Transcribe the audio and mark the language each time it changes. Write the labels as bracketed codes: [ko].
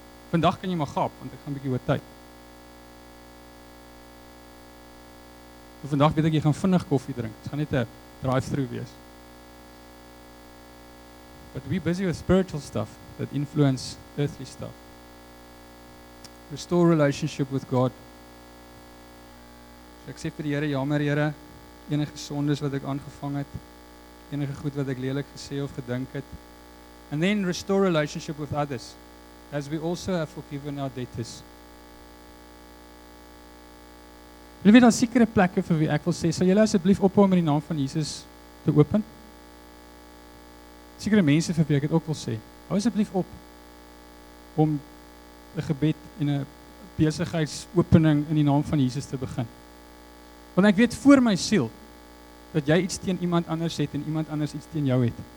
[af] Vandag kan jy maar gaap, want ek gaan 'n bietjie oor tyd. So vandag weet ek jy gaan vinnig koffie drink. Dit gaan net 'n drive-through wees. [en] But we're busy with spiritual stuff that influence earthly stuff. Restore relationship with God. [af] Ek sê vir die Here, jammer Here, enige sondes wat ek aangevang het, enige goed wat ek lelik gesê of gedink het. [en] And then restore relationship with others, as we also have forgiven our debtors. [af] Wil jy dan sekere plekke vir wie ek wil sê, sal jy asseblief ophou om in die naam van Jesus te open? Sekere mense vir wie ek het ook wil sê, hou asseblief op om 'n gebed en 'n besigheidsopening in die naam van Jesus te begin. Want ek weet voor my siel, dat jy iets teen iemand anders het en iemand anders iets teen jou het.